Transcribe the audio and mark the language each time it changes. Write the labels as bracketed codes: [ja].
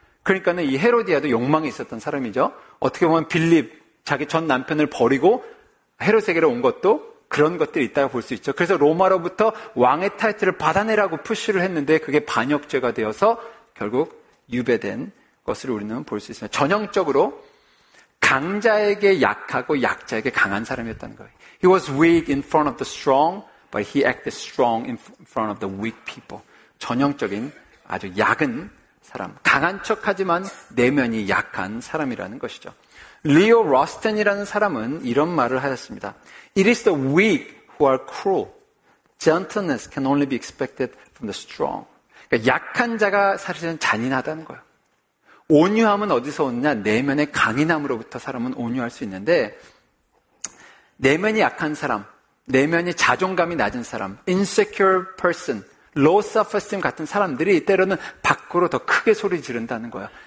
[ko] 그러니까는 이 헤로디아도 욕망이 있었던 사람이죠. 어떻게 보면 빌립 자기 전 남편을 버리고 헤롯에게로 온 것도 그런 것들이 있다고 볼 수 있죠. 그래서 로마로부터 왕의 타이틀을 받아내라고 푸시를 했는데 그게 반역죄가 되어서 결국 유배된 것을 우리는 볼 수 있습니다. 전형적으로 강자에게 약하고 약자에게 강한 사람이었다는 거예요. [en] He was weak in front of the strong, but he acted strong in front of the weak people. [ko] 전형적인 아주 약은 사람. 강한 척하지만 내면이 약한 사람이라는 것이죠. 리오 로스텐이라는 사람은 이런 말을 하였습니다. [en] It is the weak who are cruel. Gentleness can only be expected from the strong. [ko] 그러니까 약한 자가 사실은 잔인하다는 거예요. 온유함은 어디서 오느냐? 내면의 강인함으로부터 사람은 온유할 수 있는데 내면이 약한 사람, 내면이 자존감이 낮은 사람, insecure person, low self-esteem 같은 사람들이 때로는 밖으로 더 크게 소리 지른다는 거야.